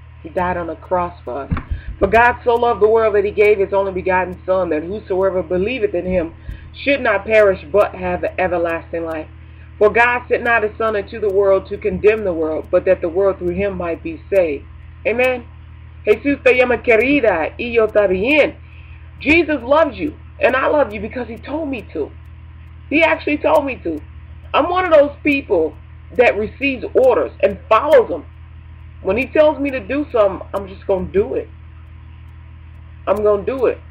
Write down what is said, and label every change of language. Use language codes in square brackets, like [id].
[en] He died on a cross for us. For God so loved the world that he gave his only begotten Son, that whosoever believeth in him should not perish but have everlasting life. For God sent not his Son into the world to condemn the world, but that the world through him might be saved. Amen. [es] Jesús te llama querida y yo también. [en] Jesus loves you, and I love you because he told me to. He actually told me to. I'm one of those people that receives orders and follows them. When he tells me to do something, I'm just going to do it. I'm going to do it.